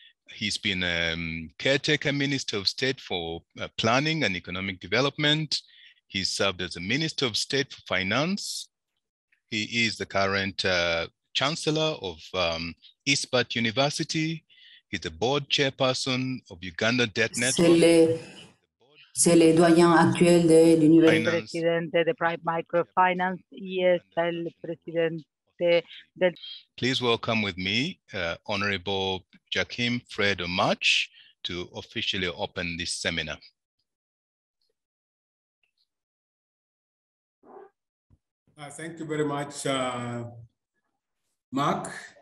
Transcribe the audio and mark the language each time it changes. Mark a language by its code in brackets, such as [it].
[en] He's been a caretaker minister of state for planning and economic development. He served as a minister of state for finance. He is the current chancellor of East Bat University. He's the board chairperson of Uganda Debt Network. [fr] C'est le doyen actuel de l'université. Le président de Prime Microfinance, yes, le président de... [en] Please welcome with me Honorable Joachim Fred March to officially open this seminar. Thank you very much, Mark.